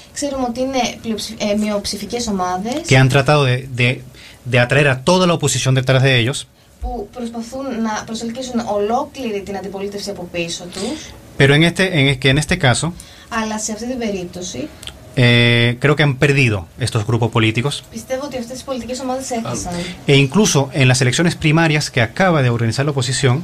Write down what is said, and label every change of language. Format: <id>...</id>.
<el>Ξέρουμε ότι είναι μειοψηφικές ομάδες.</el> <es>Que han tratado de atraer a toda la oposición detrás de ellos.</es> <el>Που προσπαθούν να προσελκύσουν ολόκληρη την αντιπολίτευση από πίσω τους.</el> <es>Pero en este caso.</es> <el>Αλλά σε αυτή την περίπτωση.</el> <es>Creo que han perdido estos grupos políticos.</es> <el>Πιστεύω ότι αυτές τις πολιτικές ομάδες έχασαν.</el> <es>E incluso en las elecciones primarias que acaba de organizar la oposición.</es>